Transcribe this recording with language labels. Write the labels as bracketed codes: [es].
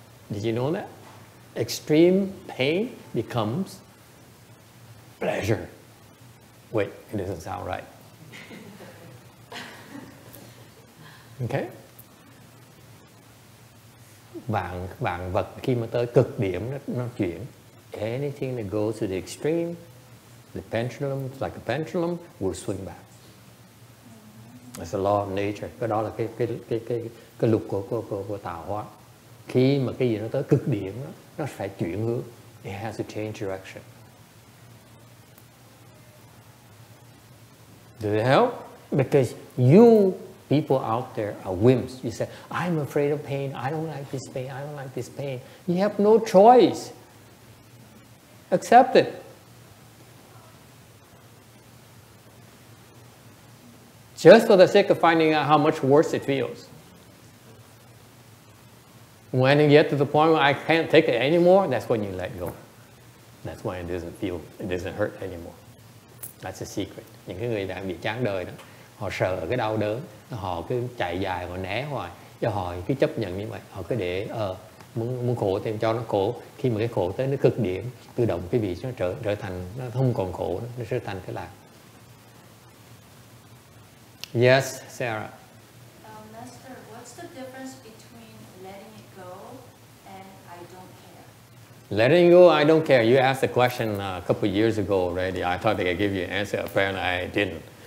[en] Did you know that? Extreme pain becomes pleasure. Wait, it doesn't sound right. Okay. [vi] Bạn bạn vật khi mà tới cực điểm nó chuyển. [en] Anything that goes to the extreme, the pendulum, like a pendulum, will swing back. It's the law of nature. [vi] Cái đó là cái luật của tạo hóa. Khi mà cái gì nó tới cực điểm đó, nó phải chuyển hướng. [en] It has to change direction. Does it help? Because you people out there are wimps. You say, I'm afraid of pain. I don't like this pain. I don't like this pain. You have no choice. Accept it. Just for the sake of finding out how much worse it feels. When you get to the point where I can't take it anymore, that's when you let go. That's when it doesn't hurt anymore. That's the secret. [vi] Những cái người đang bị chán đời đó, họ sợ cái đau đớn, họ cứ chạy dài, họ né hoài, cho họ cứ chấp nhận như vậy, họ cứ để muốn khổ thêm cho nó khổ. Khi mà cái khổ tới nó cực điểm, tự động cái vị nó trở thành, nó không còn khổ, nó trở thành cái lạc. [en] Yes, Sarah. Master, what's the difference between letting it go and I don't care? Letting go, I don't care. You asked the question a couple of years ago already. I thought they could give you an answer. Apparently, I didn't.